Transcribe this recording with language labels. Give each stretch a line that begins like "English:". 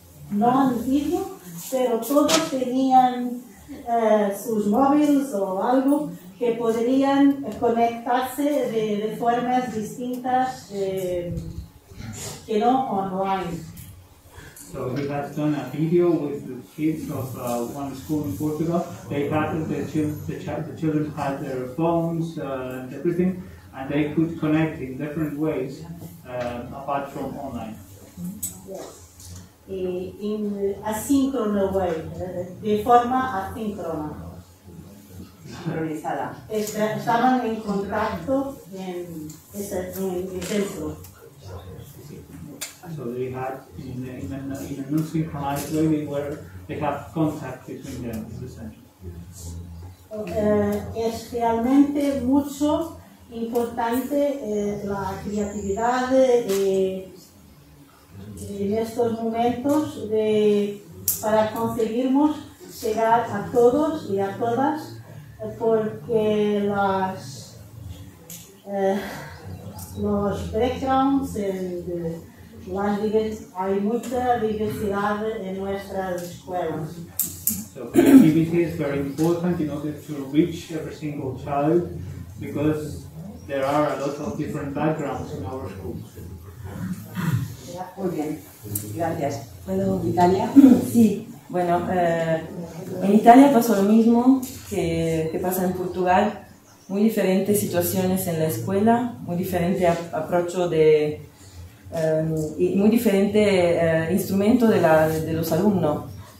Spanish: No un video, pero todos tenían sus móviles o algo que podrían conectarse de formas distintas.
English: Online. So he has done a video with the kids of one school in Portugal. They had the children had their phones and everything, and they could connect in different ways apart from online. Yes, in asynchronous way,
Spanish: de forma asíncrona. Estaban en contacto en el centro.
English: So they had in a non-synchronized way they have contact between them in the center.
Spanish: Es realmente mucho importante la creatividad en estos momentos para conseguirmos llegar a todos y a todas porque los backgrounds hay mucha diversidad en nuestras escuelas.
English: So creativity is very important in order to reach every single child because there are a lot of different backgrounds in our schools.
Spanish: Muy bien, gracias. ¿Puedo, Italia? Sí. Bueno, en Italia pasó lo mismo que pasa en Portugal. Muy diferentes situaciones en la escuela, muy diferente aprocho de... y muy diferente instrumento de los alumnos.